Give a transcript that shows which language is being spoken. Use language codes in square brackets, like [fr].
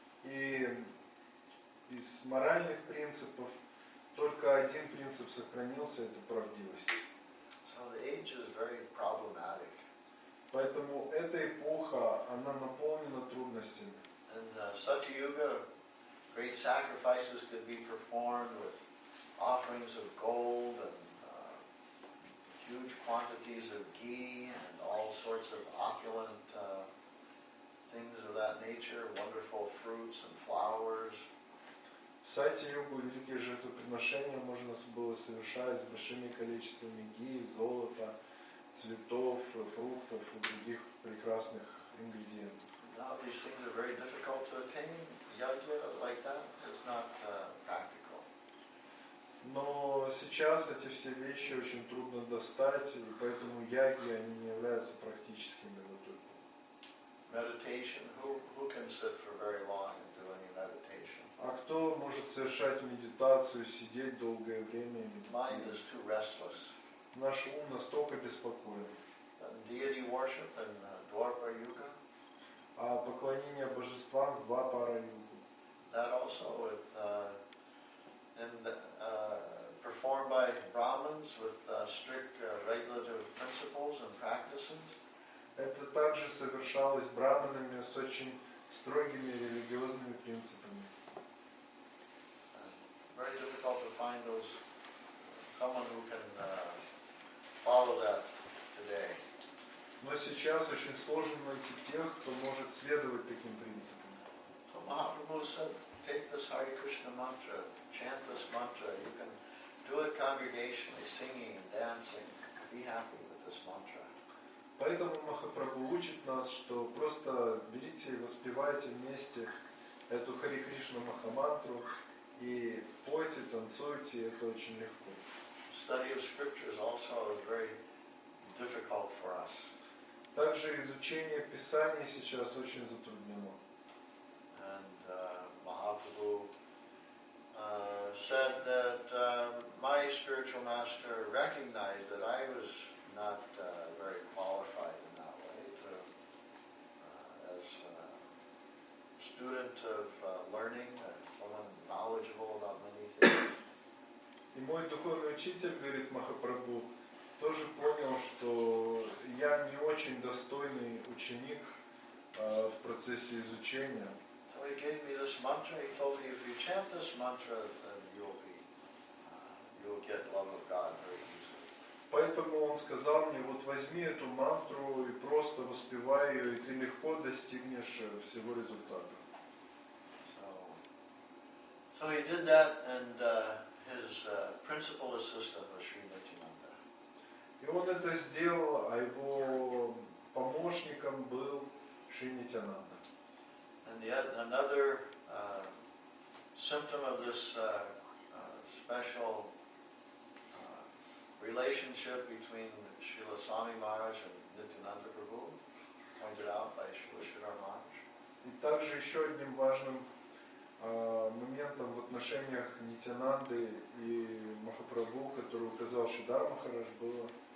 [ru] И из моральных принципов только один принцип сохранился — это правдивость. [en] So the age is very problematic. [ru] Поэтому эта эпоха, она наполнена трудностями. [en] In Satya Yuga, great sacrifices could be performed with offerings of gold and huge quantities of ghee and all sorts of opulent things of that nature, wonderful fruits and flowers. [ru] В Сати-йогу великие жертвоприношения можно было совершать с большими количествами ги, золота, цветов, фруктов и других прекрасных ингредиентов. [en] Now these things are very difficult to attain. Yajna like that is not practical. [ru] Но сейчас эти все вещи очень трудно достать, и поэтому яги, они не являются практическими в эту эпоху. [en] Meditation. Who can sit for very long and do any meditation? [ru] А кто может совершать медитацию, сидеть долгое время и медитировать? [en] Mind is too restless. [ru] Наш ум настолько беспокоен. [en] Deity worship and Dwapara Yuga. [ru] А поклонение божествам в Двапара Югу. [en] That also with and performed by Brahmins with strict regulative principles and practices. [ru] Это также совершалось браманами с очень строгими религиозными принципами. [en] Very difficult to find those someone who can follow that today. [ru] Но сейчас очень сложно найти тех, кто может следовать таким принципам. [en] So Mahaprabhu said, take this Hare Krishna mantra, chant this mantra. You can do it congregationally, singing and dancing. Be happy with this mantra. [ru] Поэтому Махапрабху учит нас, что просто берите и воспевайте вместе эту Хари Кришна Махамантру и пойте, танцуйте. Это очень легко. [en] Study of scriptures also is very difficult for us. [ru] Также изучение Писания сейчас очень затруднено. [en] And Mahaprabhu said that my spiritual master recognized that I was not very qualified in that way to, as a student of learning and someone knowledgeable about many things. [ru] И мой духовный учитель, говорит Махапрабху, тоже понял, что я не очень достойный ученик в процессе изучения. [en] So he gave me this mantra. He told me, if you chant this mantra, then you'll get love of God very easily. [ru] Поэтому он сказал мне, вот возьми эту мантру и просто воспевай ее, и ты легко достигнешь всего результата. [en] So he did that, and his principal assistant was Sri Nityananda. [ru] И он это сделал, а его помощником был Шри Нитянанда. [en] And yet another symptom of this special relationship between Srila Swami Maharaj and Nityananda Prabhu, pointed out by Srila Sridhar Maharaj. [ru] И также еще одним важным моментом в отношениях Нитянанды и Махапрабху, который указал Шридхар Махарадж, было,